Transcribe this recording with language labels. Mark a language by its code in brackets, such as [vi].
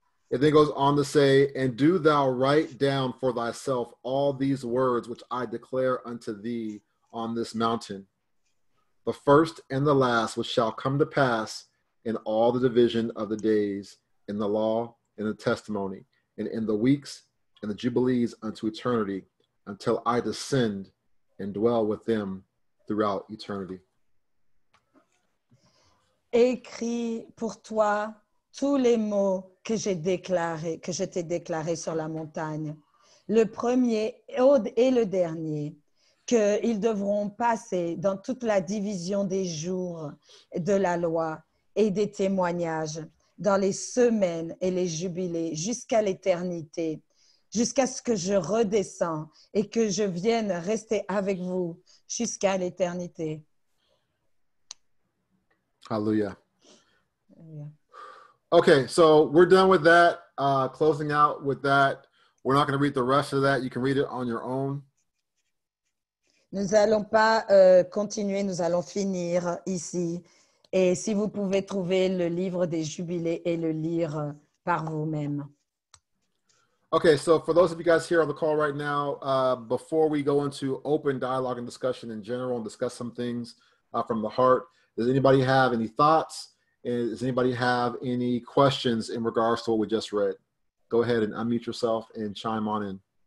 [en] It then goes on to say, and do thou write down for thyself all these words which I declare unto thee on this mountain, the first and the last, which shall come to pass in all the division of the days, in the law, in the testimony, and in the weeks, and the jubilees unto eternity, until I descend and dwell with them throughout eternity. [fr] Écris pour toi tous les mots que j'ai déclarés, que je t'ai déclarés sur la montagne. Le premier et le dernier, qu'ils devront passer dans toute la division des jours de la loi et des témoignages, dans les semaines et les jubilés jusqu'à l'éternité. Jusqu'à ce que je redescende et que je vienne rester avec vous jusqu'à l'éternité. [en] Hallelujah. Okay, so we're done with that. Closing out with that. We're not going to read the rest of that. You can read it on your own. [fr] Nous allons pas continuer. Nous allons finir ici. Et si vous pouvez trouver le livre des jubilés et le lire par vous-même. [en] Okay, so for those of you guys here on the call right now, before we go into open dialogue and discussion in general and discuss some things from the heart, does anybody have any thoughts? Does anybody have any questions in regards to what we just read? Go ahead and unmute yourself and chime on in.